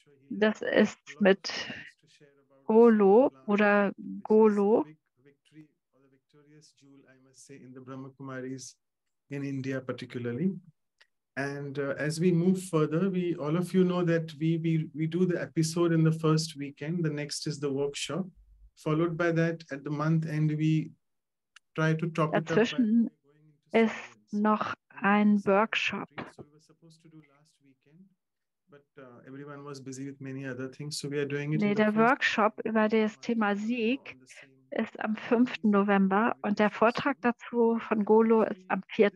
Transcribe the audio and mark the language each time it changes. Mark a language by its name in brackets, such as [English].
[German] Das ist mit Golo oder Golo. [English] Victorious jewel, I must say, in the Brahma Kumaris in India particularly. And as we move further, we all of you know that we do the episode in the first weekend. The next is the workshop. Followed by that, at the month end, we try to top it up. [German] Dazwischen ist noch ein Workshop. [English] So we were supposed to do last weekend, but everyone was busy with many other things. So we are doing it. [German] Nee, der Workshop über das Thema Sieg ist am 5. November und der Vortrag dazu von Golo ist am 4.